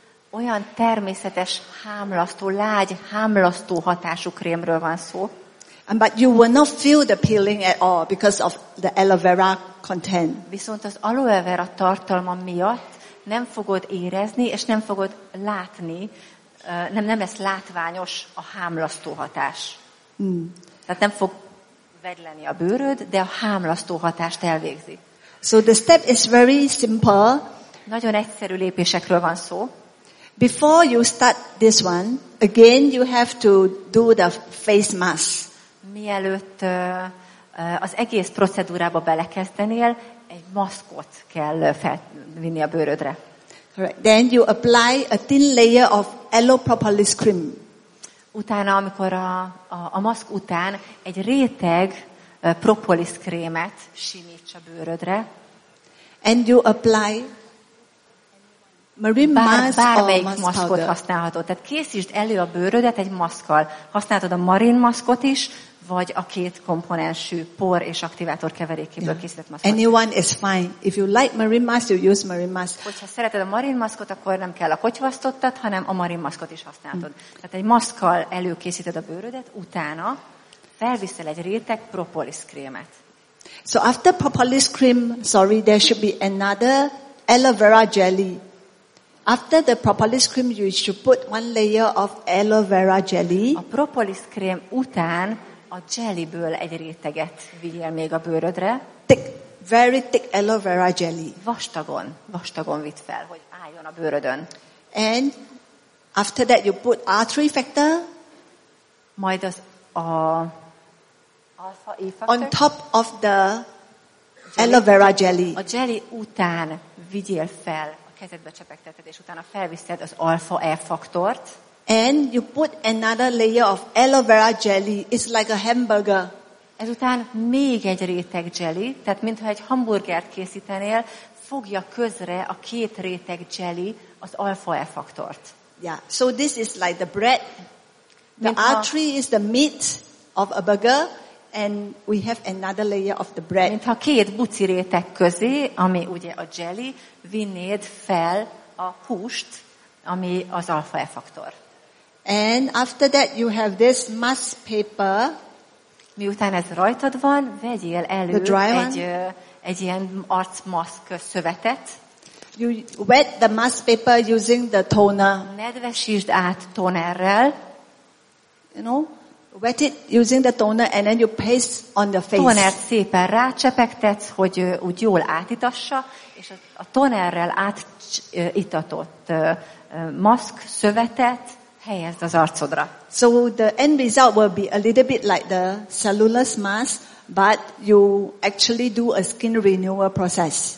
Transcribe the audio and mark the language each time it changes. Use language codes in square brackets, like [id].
[hu] olyan természetes hámlasztó, lágy hámlasztó hatású krémről van szó. [en] And but you will not feel the peeling at all because of the aloe vera content. [hu] Viszont az aloe vera tartalma miatt nem fogod érezni és nem fogod látni, nem lesz látványos a hámlasztó hatás. Tehát nem fog vedleni a bőröd, de a hámlasztó hatást elvégzi. [en] So the step is very simple. [hu] Nagyon egyszerű lépésekről van szó. [en] Before you start this one, again you have to do the face mask. [hu] Mielőtt az egész procedúrába belekezdenél, egy maszkot kell felvinni a bőrödre. [en] Correct. Then you apply a thin layer of aloe propolis cream. [hu] Utána, amikor a maszk után egy réteg propolis krémet simíts a bőrödre. [en] And you apply marine mask. [hu] Bármelyik maszkot használhatod. Tehát készítsd elő a bőrödet egy maszkkal. Használhatod a marine maszkot is, vagy a két komponensű por és aktivátor keverékéből készített maszkot. [en] Anyone is fine. If you like marine mask, you use marine mask. [hu] Hogyha szereted a marine maskot, akkor nem kell a kotyvasztottat, hanem a marine maskot is használhatod. Tehát egy maszkkal előkészíted a bőrödet, utána felviszel egy réteg propolis krémet. [en] So after propolis cream, sorry, there should be another aloe vera jelly. After the propolis cream, you should put one layer of aloe vera jelly. [hu] A propolis krém után a jellyből egy réteget vigyél még a bőrödre. [en] Thick, very thick aloe vera jelly. [hu] Vastagon, vastagon vidd fel, hogy álljon a bőrödön. [en] And after that you put R3 factor. [hu] Majd az a alpha E factor. [en] On top of the jelly, aloe vera jelly. [hu] A jelly után vigyél fel, a kezedbe csepegteted, és utána felviszed az alpha E faktort. [en] And you put another layer of aloe vera jelly. It's like a hamburger. [hu] Ezután még egy réteg jelly, tehát mintha egy hamburgert készítenél, fogja közre a két réteg jelly az alpha E faktort. [en] Yeah. So this is like the bread. The artery is the meat of a burger, and we have another layer of the bread. [hu] Mintha két buci réteg közé, ami ugye a jelly, vinnéd fel a húst, ami az alpha E faktor. [en] And after that you have this mask paper. [hu] Miután ez rajtad van, vegyél elő egy ilyen arcmaszk szövetet. [en] You wet the mask paper using the toner. [hu] Nedvesítsd át tonerrel. [en] You know, wet it using the toner and then you paste on the face. [hu] Tonert szépen rácsepegtetsz, hogy úgy jól átitassa, és a tonerrel átitatott maszk szövetet helyezd az arcodra. [en] So the end result will be a little bit like the cellulose mask, but you actually do a skin renewal process.